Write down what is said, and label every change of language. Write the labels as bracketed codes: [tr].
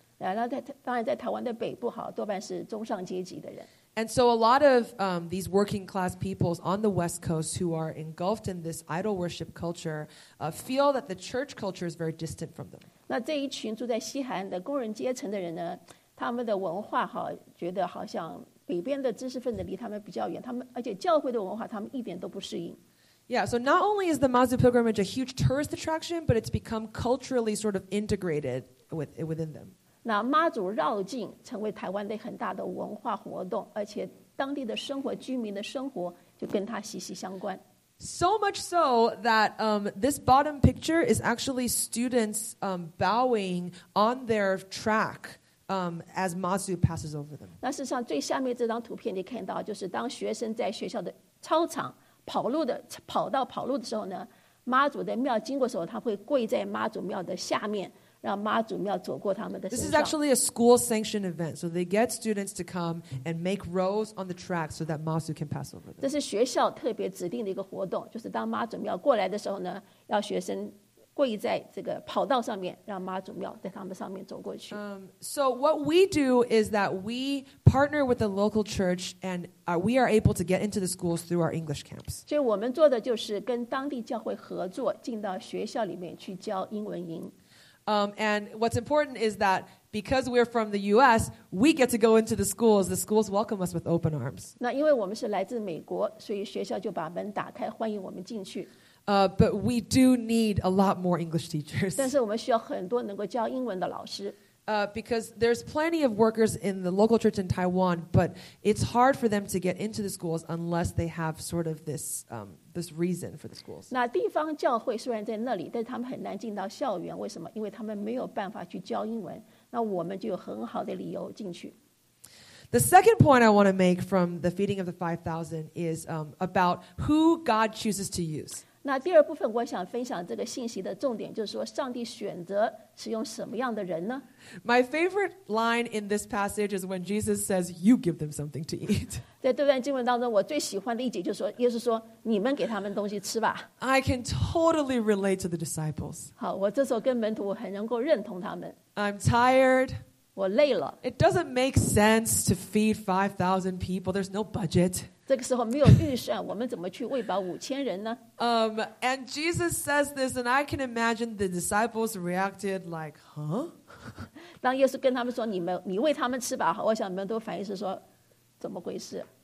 [zh] 当然在台湾的北部好多半是中上阶级的人。 [en] And so a lot of these working class peoples on the West Coast who are engulfed in this idol worship culture feel that the church culture is very distant from them. [zh] 那这一群住在西海岸的工人阶层的人呢，他们的文化好觉得好像北边的知识分子离他们比较远，他们而且教会的文化他们一点都不适应。 [en] Yeah, so not only is the Mazu pilgrimage a huge tourist attraction, but it's become culturally sort of integrated within them. [zh] 那妈祖绕境成为台湾的很大的文化活动，而且当地的生活、居民的生活就跟它息息相关。 [en] So much so that this bottom picture is actually students bowing on their track as Mazu passes over them. [zh] 那事实上，最下面这张图片你看到，就是当学生在学校的操场跑路的跑到跑路的时候呢，妈祖的庙经过的时候，他会跪在妈祖庙的下面。让妈祖庙走过他们的身 [en] This is actually a school sanctioned event, so they get students to come and make rows on the track so that Mazu can pass over them. [zh] 这是学校特别指定的一个活动，就是当妈祖庙过来的时候呢，要学生跪在这个跑道上面，让妈祖庙在他们上面走过去。 [en] So what we do is that we partner with the local church, and we are able to get into the schools through our English camps. [zh] 所以我们做的就是跟当地教会合作，进到学校里面去教英文营。 [en] And what's important is that because we're from the U.S., we get to go into the schools. The schools welcome us with open arms. [zh] 那因为我们是来自美国，所以学校就把门打开，欢迎我们进去。 [en] But we do need a lot more English teachers. [zh] 但是我们需要很多能够教英文的老师。 [en] Because there's plenty of workers in the local church in Taiwan, but it's hard for them to get into the schools unless they have sort of this reason for the schools. [zh] 那地方教会虽然在那里，但是他们很难进到校园。为什么？因为他们没有办法去教英文。那我们就有很好的理由进去。 [en] The second point I want to make from the feeding of the 5,000 is about who God chooses to use. [zh] 那第二部分我想分享这个信息的重点就是说上帝选择使用什么样的人呢 [en] My favorite line in this passage is when Jesus says you give them something to eat [zh] 在这段经文当中我最喜欢的一节就是说耶稣说你们给他们东西吃吧 [en] I can totally relate to the disciples [zh] 好我这时候跟门徒我很能够认同他们 [en] I'm tired [zh] 我累了 [en] It doesn't make sense to feed 5,000 people There's no budget [zh] 这个时候没有预算，我们怎么去喂饱五千人呢？ [en] And Jesus says this, and I can imagine the disciples reacted like, huh? [zh] 当耶稣跟他们说，你喂他们吃吧，我想门徒反应是说，怎么回事？